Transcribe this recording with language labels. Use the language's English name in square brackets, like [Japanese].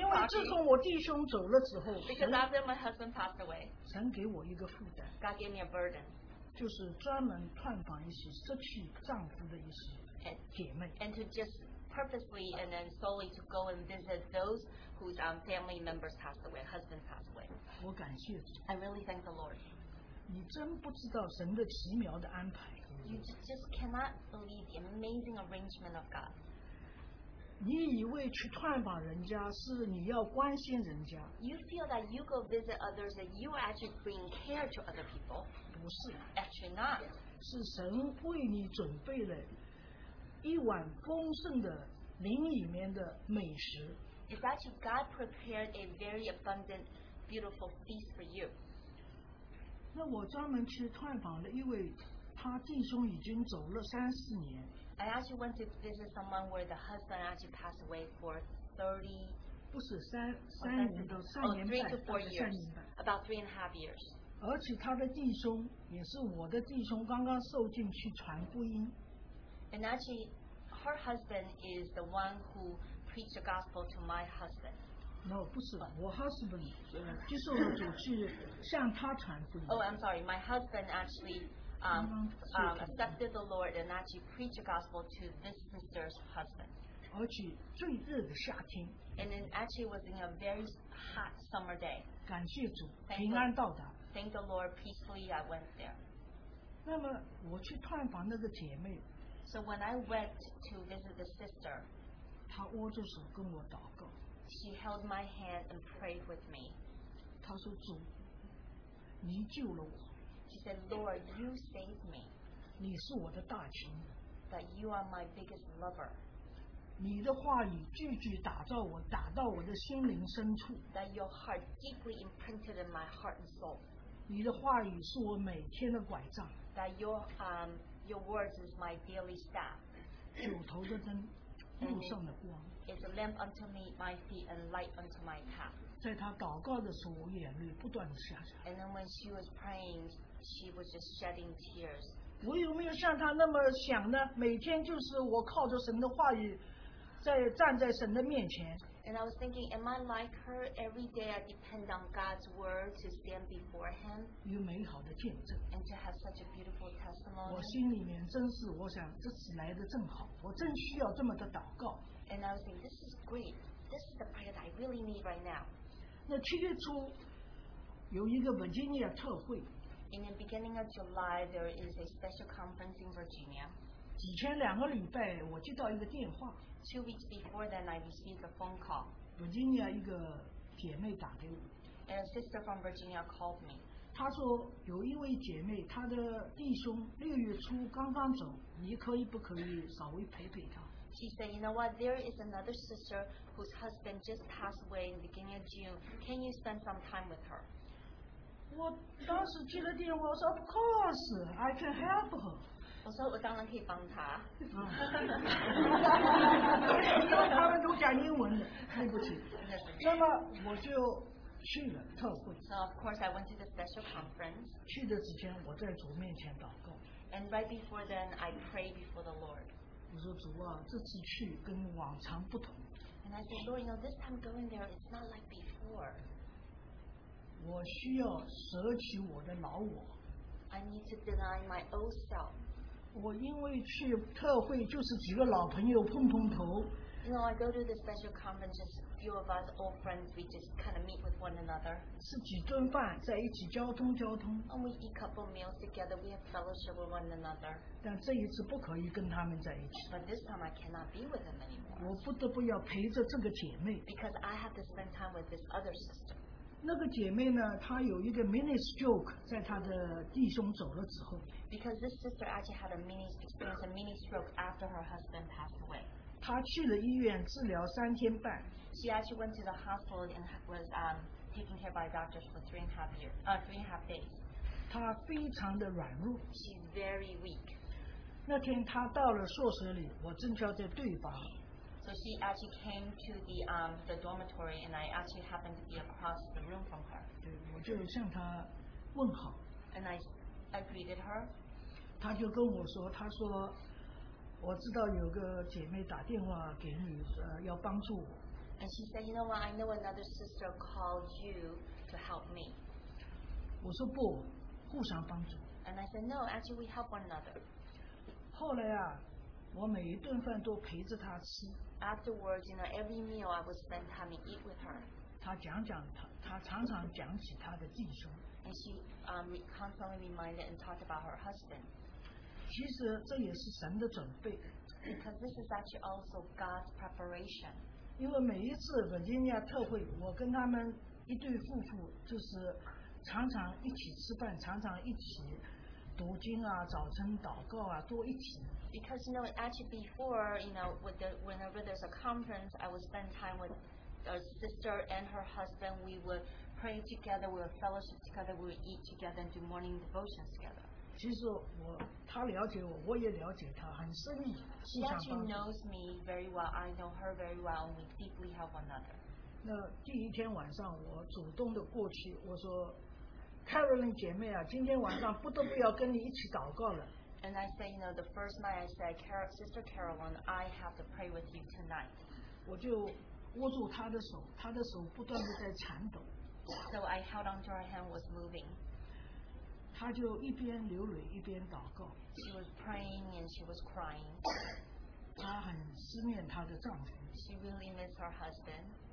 [Chinese] 因为自从我弟兄走了之后， [English] Because after my husband passed away, [Chinese] 神给我一个负担。 [English] God gave me a burden. [Chinese] 就是专门探访一些失去丈夫的一些姐妹。 [English] And to just purposely and then solely to go and visit those whose family members passed away, husband passed away. [Chinese] 我感谢主。 [English] I really thank the Lord. [Chinese] 你真不知道神的奇妙的安排。 [English] You just cannot believe the amazing arrangement of God. [Chinese] 你以为去探访人家是你要关心人家。 [English] You feel that you go visit others that you actually bring care to other people. [Chinese] 不是。 [English] Actually not. [Chinese] 是神为你准备了一碗丰盛的灵里面的美食。 [English] It's actually God prepared a very abundant, beautiful feast for you. [Chinese] 那我专门去探访了一位，他弟兄已经走了34年。 [English] I actually went to visit someone where the husband actually passed away for 3 to 4 years, about 3.5 years. [Chinese] 而且他的弟兄也是我的弟兄，刚刚受浸去传福音。 [English] And actually, her husband is the one who preached the gospel to my husband. [Chinese] No, 不是，我 husband 接受了主去向他传福音。 [English] Oh, I'm sorry. My husband actually accepted the Lord and actually preached the gospel to this sister's husband. [Chinese] 而且最热的夏天。 [English] And then actually was in a very hot summer day. [Chinese] 感谢主，平安到达。 [English] Thank the Lord, peacefully I went there. [Chinese] 那么我去探访那个姐妹。 [English] So when I went to visit the sister, [Chinese] 她握着手跟我祷告。 [English] She held my hand and prayed with me. [Chinese] 她说，主，你救了我。 [English] She said, Lord, you saved me. [Chinese] 你是我的大情人。 [English] That you are my biggest lover. [Chinese] 你的话语句句打造我，打到我的心灵深处。 [English] That your heart deeply imprinted in my heart and soul. [Chinese] 你的话语是我每天的拐杖。 [English] That your words is my daily staff. [Chinese] 九头的灯，路上的光。 [English] It's a lamp unto me, my feet, and light unto my path. [Chinese] 在她祷告的时候，眼泪不断的下下。 [English] And then when she was praying, she was just shedding tears. [Chinese] 我有没有像她那么想呢？每天就是我靠着神的话语，在站在神的面前。 [English] And I was thinking, am I like her? Every day I depend on God's word to stand before Him. [Chinese] 有美好的见证。 [English] And to have such a beautiful testimony. [Chinese] 我心里面真是，我想这次来的正好，我真需要这么的祷告。 [English] And I was thinking, this is great. This is the prayer that I really need right now. [Chinese] 那七月初有一个 Virginia 特会。 [English] In the beginning of July, there is a special conference in Virginia. [Chinese] 几天两个礼拜，我接到一个电话。 [English] 2 weeks before then, I received a phone call. [Chinese] Virginia 一个姐妹打给我。 [English] And a sister from Virginia called me. [Chinese] 他说有一位姐妹，她的弟兄六月初刚刚走，你可以不可以稍微陪陪她？ [English] She said, you know what? There is another sister whose husband just passed away in the beginning of June. Can you spend some time with her? [Chinese] 我当时接了电话，我说 [English] Of course, I can help her. [Chinese] 我说我当然可以帮她。因为他们都讲英文，对不起。那么我就。去了特会。 [English] So of course I went to the special conference. [Chinese] 去的之前我在主面前祷告。 [English] And right before then I prayed before the Lord. [Chinese] 我说主啊，这次去跟往常不同。 [English] And I said, Lord, you know, this time going there is not like before. [Chinese] 我需要舍弃我的老我。 [English] I need to deny my old self. [Chinese] 我因为去特会就是几个老朋友碰碰头。 [English] You know, I go to the special conference, just a few of us old friends, we just kind of meet with one another. [Chinese] 是几顿饭在一起交通交通。 [English] And we eat a couple meals together, we have fellowship with one another. [Chinese] 但这一次不可以跟他们在一起。 [English] But this time I cannot be with them anymore. [Chinese] 我不得不要陪着这个姐妹。 [English] Because I have to spend time with this other sister. [Chinese] 那个姐妹呢，她有一个 mini stroke 在她的弟兄走了之后。 [English] Because this sister actually had a mini experience, a mini stroke after her husband passed away. [Chinese] 他去了医院治疗三天半。 [English] She actually went to the hospital and was taken care by doctors for three and a half days. [Chinese] 他非常的软弱。 [English] She's very weak. [Chinese] 那天他到了宿舍里，我正巧在对房。 [English] So she actually came to the dormitory and I actually happened to be across the room from her. [Chinese] 对，我就向他问好。 [English] And I greeted her. [Chinese] 他就跟我说，他说。我知道有个姐妹打电话给你，要帮助我。 [English] And she said, you know what? I know another sister called you to help me. [Chinese] 我说不，互相帮助。 [English] And I said, no, actually we help one another. [Chinese] 后来啊，我每一顿饭都陪着她吃。 [English] Afterwards, you know, every meal I would spend time and eat with her. [Chinese] 她讲讲她常常讲起她的弟兄。 [English] And she constantly reminded and talked about her husband. [Chinese] 其实这也是神的准备。 [English] Because this is actually also God's preparation. [Chinese] 因为每一次维吉尼亚特会，我跟他们一对夫妇就是常常一起吃饭，常常一起读经啊，早晨祷告啊，都一起。 [English] Because you know, actually before, you know, whenever there's a conference, I would spend time with a sister and her husband. We would pray together, we would fellowship together, we would eat together and do morning devotions together. [Chinese] 其实我，他了解我，我也了解他，很深意。 [English] She actually knows me very well. I know her very well, and we deeply help one another. [Chinese] 那第一天晚上，我主动的过去，我说 ，Carolyn 姐妹啊，今天晚上不得不要跟你一起祷告了。 [English] And I said, you know, the first night I said, Sister Carolyn, I have to pray with you tonight. [Chinese] 我就握住她的手，她的手不断的在颤抖。 [English] So I held onto her hand, was moving. [Chinese] 她就一边流泪一边祷告。 [English] She was praying and she was crying. [Chinese] 她很思念她的丈夫。 [English] She really missed her husband.